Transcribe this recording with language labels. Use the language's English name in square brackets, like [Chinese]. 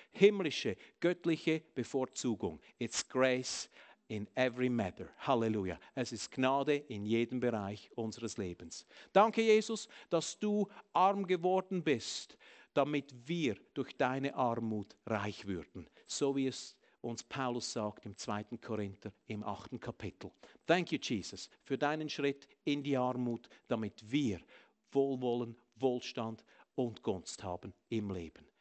[German] Himmlische, göttliche Bevorzugung. [English] It's grace in every matter. Halleluja. [German] Es ist Gnade in jedem Bereich unseres Lebens. Danke, Jesus, dass du arm geworden bist, damit wir durch deine Armut reich würden. So wie es uns Paulus sagt im 2. Korinther im 8. Kapitel. [English] Thank you, Jesus, [German] für deinen Schritt in die Armut, damit wir Wohlwollen, Wohlstand und Gunst haben im Leben.